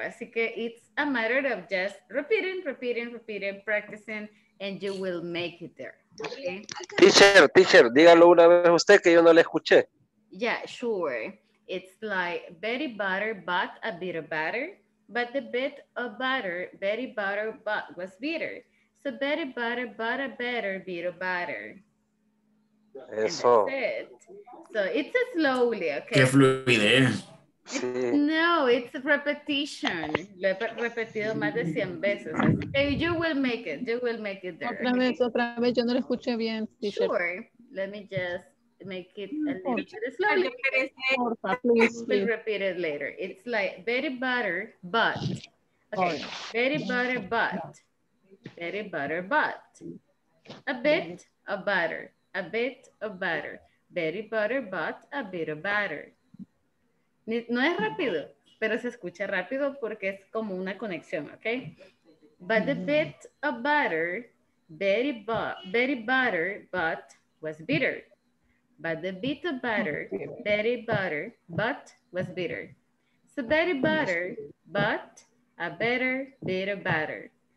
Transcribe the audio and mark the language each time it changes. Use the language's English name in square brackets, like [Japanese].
[Spanish] Así que [English] it's a matter of just repeating, practicing, and you will make it there. Okay. [Spanish] Teacher, dígalo una vez usted que yo no le escuché. [English] Yeah, sure. It's like very butter, but a bit of butter, but the bit of butter, very butter, but was bitter. So very butter, but a better bit of butter. [Spanish] Eso. [English] And that's it. So it's a slowly, okay? [Spanish] Qué fluidez. [English] It's, no, it's a repetition. [Spanish] Lo he repetido más de 100 veces. [English] Okay, you will make it. You will make it there. [Spanish] Otra vez. Yo no lo escuché bien. [English] Teacher. Sure. Let me just make it a little bit slowly. We'll repeat it later. It's like very butter, but. Okay. Very butter, but. Very butter, but. A bit of butter. A bit of butter. Very butter, but a bit of butter. [Spanish] No es rápido, pero se escucha rápido porque es como una conexión, okay? [English] But a bit of butter, very butter, but was bitter. But a bit of butter, very butter, but was bitter. So very butter, but a better bit of butter.